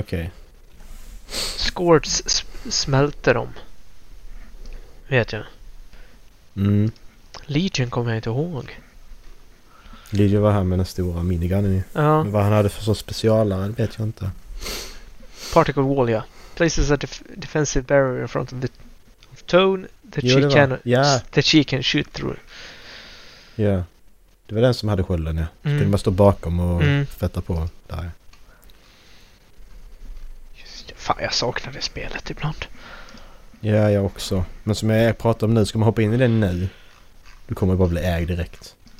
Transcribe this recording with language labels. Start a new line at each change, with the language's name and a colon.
Swedish: Okay. Scorts smälter dem. Vet jag. Mm. Legion kommer jag inte ihåg. Legion var här med den stora minigunnen. Ja. Men vad han hade för sån specialare vet jag inte.
English: Particle wall, ja. Places a defensive barrier in front of the tone that, jo, she can, yeah, that she can shoot through.
Swedish: Ja. Yeah. Det var den som hade skölden, ja. Mm. Skulle man stå bakom och fätta på där. Just, fan, jag saknade spelet ibland. Ja, yeah, jag också. Men som jag pratar om nu, ska man hoppa in i det nu? Du kommer bara bli ägd direkt.